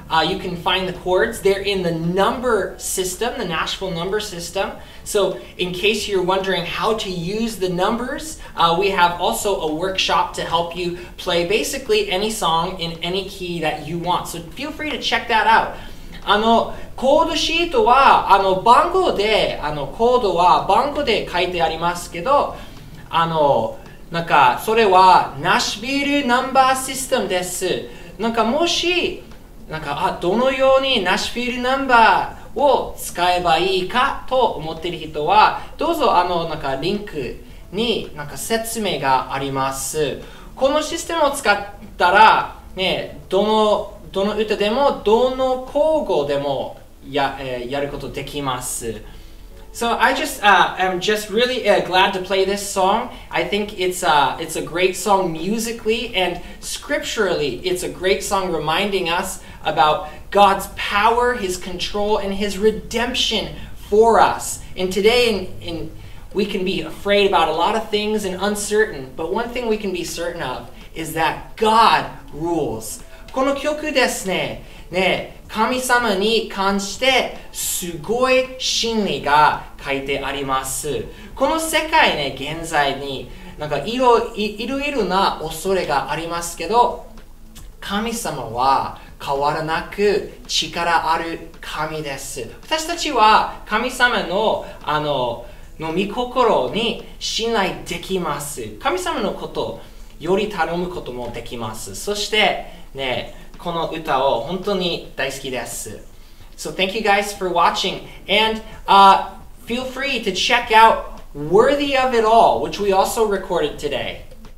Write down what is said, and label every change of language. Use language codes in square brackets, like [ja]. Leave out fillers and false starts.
[en] You can find the chords. They're in the number system, the Nashville number system. So in case you're wondering how to use the numbers, we have also a workshop to help you play basically any song in any key that you want. So feel free to check that out. [ja] コードシートは番号で、コードは番号で書いてありますけど、なんかそれはナッシュビルナンバーシステムです。なんかもし、なんかどのようにナッシュビルナンバーを使えばいいかと思っている人はどうぞなんかリンクになんか説明があります。このシステムを使ったら、ね、どの歌でもどの口語でも やることできます。 [en] So I just am just really glad to play this song. I think it's a great song musically and scripturally. It's a great song reminding us aboutGod's power, His control, and His redemption for us. And today, we can be afraid about a lot of things and uncertain, but one thing we can be certain of is that God rules. [ja] この曲ですね、ね、神様に関してすごい真理が書いてあります。この世界ね、現在に、なんかいろいろな恐れがありますけど、神様は変わらなく力ある神です。私たちは神様の、の御心に信頼できます。神様のことより頼むこともできます。そしてね、この歌を本当に大好きです。 [en] So thank you guys for watching. And、feel free to check out Worthy of It All, which we also recorded today.